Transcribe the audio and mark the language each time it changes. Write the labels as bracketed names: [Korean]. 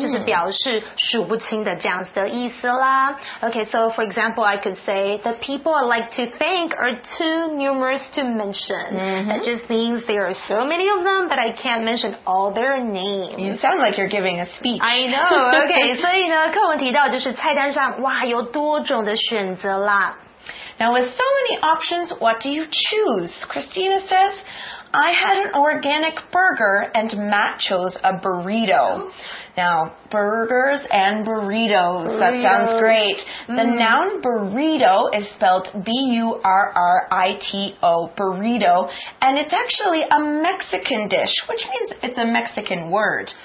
[Chinese] 就是表示数不清的这样子的意思啦。 [English] Okay, so for example, I could say the people I like to thank are too numerous to mention. Mm-hmm. That just means there are so many of them, but I can't mention all their names. You sound like you're giving a speech. I know. [Chinese] Okay, 所以呢，课文提到就是菜单上哇有多种的选择啦。 [English] Now with so many options, what do you choose? Christina says, I had an organic burger and Matt chose a burrito. Now, burgers and burritos, that sounds great. The、 mm. noun burrito is spelled B-U-R-R-I-T-O, burrito, and it's actually a Mexican dish, which means it's a Mexican word.、